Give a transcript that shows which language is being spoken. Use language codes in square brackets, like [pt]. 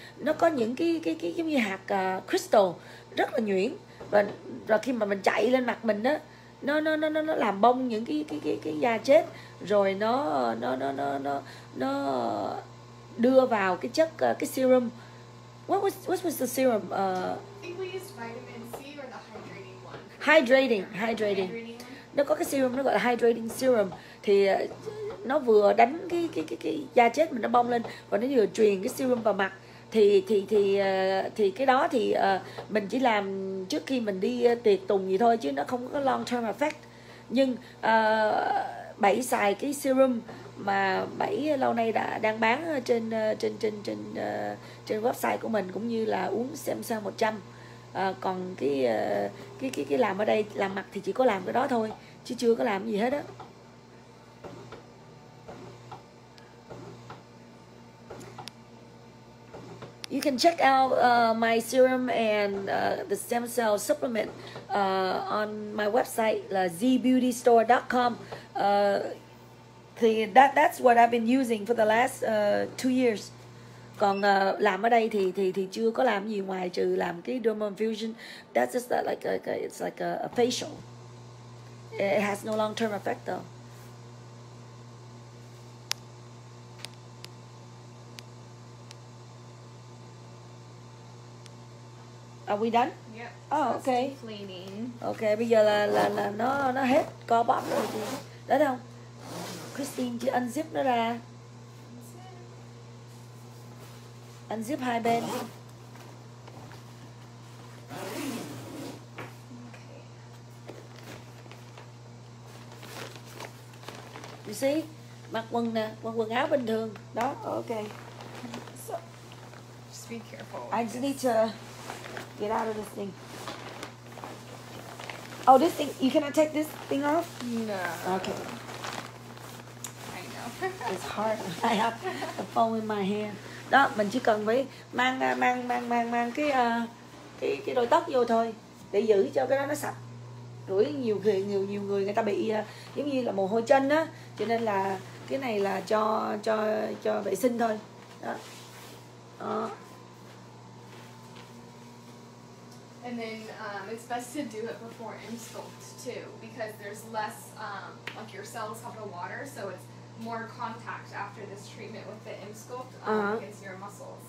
[vi] Nó có những cái giống như hạt crystal rất là nhuyễn, và rồi khi mà mình chạy lên mặt mình á, nó làm bong những cái da chết, rồi nó đưa vào cái chất cái serum. [en] What was the serum? I think we used vitamin C or the hydrating one. hydrating. [vi] Nó có cái serum, nó gọi là hydrating serum, thì nó vừa đánh cái da chết mình nó bong lên, và nó vừa truyền cái serum vào mặt. Thì cái đó thì mình chỉ làm trước khi mình đi tiệc tùng gì thôi, chứ nó không có [en] long term effect. [vi] Nhưng bảy xài cái serum mà bảy lâu nay đã đang bán trên trên website của mình, cũng như là uống Samsung 100. Còn cái làm ở đây làm mặt thì chỉ có làm cái đó thôi, chứ chưa có làm gì hết á. [en] You can check out my serum and the stem cell supplement on my website, zbeautystore.com. That's what I've been using for the last 2 years. [vi] Còn làm ở đây thì chưa có làm gì ngoài trừ làm cái dermal infusion. [en] That's just like a facial. It has no long term effect though. Are we done? Yep. Oh, okay. Cleaning. [vi] Okay, bây giờ là nó hết co bóp rồi chị. Đấy không? Christine chị unzip nó ra. Unzip hai bên. [en] Okay. You see? [vi] Mặc quần nè, mặc quần áo bình thường. Đó, okay. [en] So, just be careful. I just need to get out of this thing. Oh, this thing, you cannot take this thing off? No. Okay. I know. It's hard. I have the phone in my hand. [vi] Đó, mình chỉ cần phải mang cái đôi tóc vô thôi, để giữ cho cái đó nó sạch. Rủi nhiều người người ta bị giống như là mồ hôi chân á, cho nên là cái này là cho vệ sinh thôi. Đó. Đó. [en] And then it's best to do it before Insculpt too, because there's less, like your cells have the water, so it's more contact after this treatment with the Insculpt against your muscles.